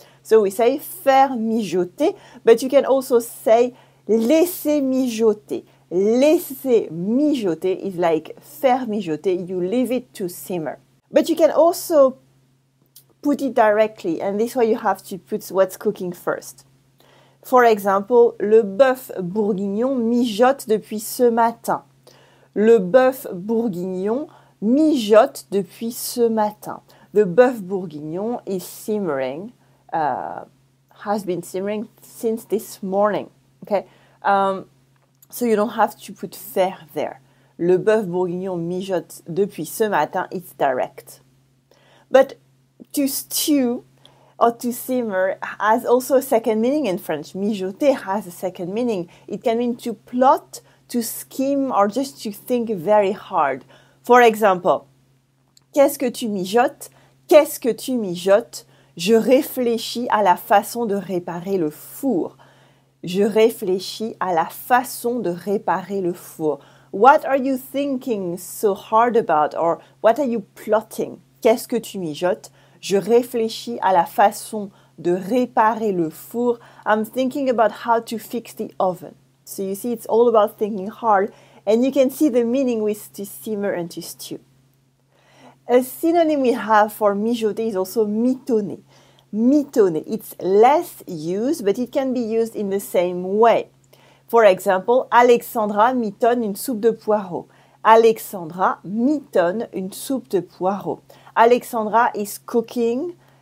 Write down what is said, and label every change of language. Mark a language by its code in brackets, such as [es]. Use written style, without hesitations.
[en] So we say faire mijoter, but you can also say laisser mijoter. Laisser mijoter is like faire mijoter. You leave it to simmer. But you can also put it directly, and this way you have to put what's cooking first. For example, [fr] le bœuf bourguignon mijote depuis ce matin. Le bœuf bourguignon mijote depuis ce matin. [en] The bœuf bourguignon is simmering, has been simmering since this morning. Okay, so you don't have to put faire there. [fr] Le bœuf bourguignon mijote depuis ce matin, [en] it's direct. But to stew or to simmer has also a second meaning in French. Mijoter has a second meaning. It can mean to plot, to scheme, or just to think very hard. For example, [fr] qu'est-ce que tu mijotes? Qu'est-ce que tu mijotes? Je réfléchis à la façon de réparer le four. Je réfléchis à la façon de réparer le four. [en] What are you thinking so hard about? Or what are you plotting? [fr] Qu'est-ce que tu mijotes? Je réfléchis à la façon de réparer le four. [en] I'm thinking about how to fix the oven. So you see, it's all about thinking hard. And you can see the meaning with to simmer and to stew. A synonym we have for mijoter is also mitonner. Mitonner, it's less used, but it can be used in the same way. [fr] For example, Alexandra mitonne une soupe de poireaux. Alexandra mitonne une soupe de poireaux. [en] Alexandra is cooking